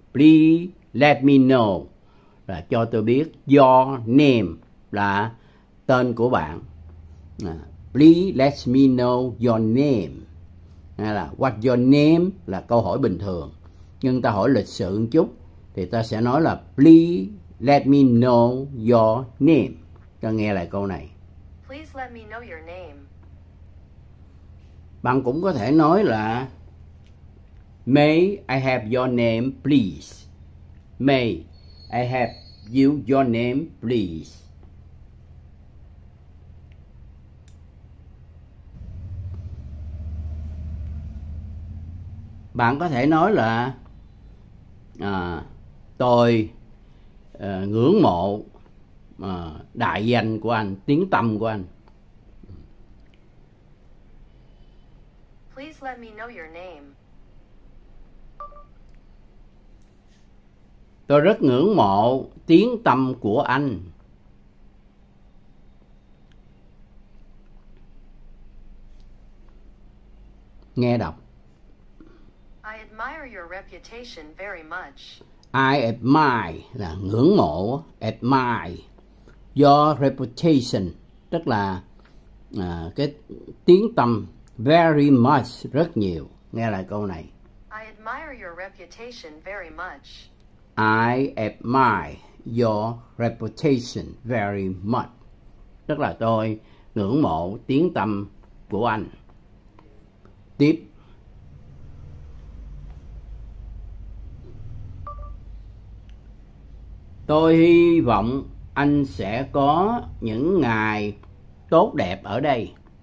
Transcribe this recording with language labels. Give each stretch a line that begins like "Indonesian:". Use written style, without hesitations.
English: Please let me know
Vietnamese: là cho tôi biết.
English: Your name
Vietnamese: là tên của bạn.
English: Please let me know your name.
Vietnamese: Hay là
English: what your name
Vietnamese: là câu hỏi bình thường. Nhưng ta hỏi lịch sự một chút thì ta sẽ nói là
English: please let me know your name.
Vietnamese: Ta nghe lại câu này.
English: Please let me know your name.
Vietnamese: Bạn cũng có thể nói là
English: may I have your name please. May I have you your name please.
Vietnamese: Bạn có thể nói là tôi ngưỡng mộ đại danh của anh, tiếng tăm của anh.
English: Please let me know your name.
Vietnamese: Tôi rất ngưỡng mộ tiếng tâm của anh. Nghe đọc.
English: I admire your reputation very much. I admire
Vietnamese: là ngưỡng mộ,
English: admire your reputation
Vietnamese: tức là cái tiếng tâm,
English: very much
Vietnamese: rất nhiều. Nghe lại câu này.
English: I admire your reputation very much. I admire your reputation very much.
Vietnamese: Tức là tôi ngưỡng mộ tiếng tâm của anh. Tiếp. Tôi hy vọng anh sẽ có những ngày tốt đẹp ở đây.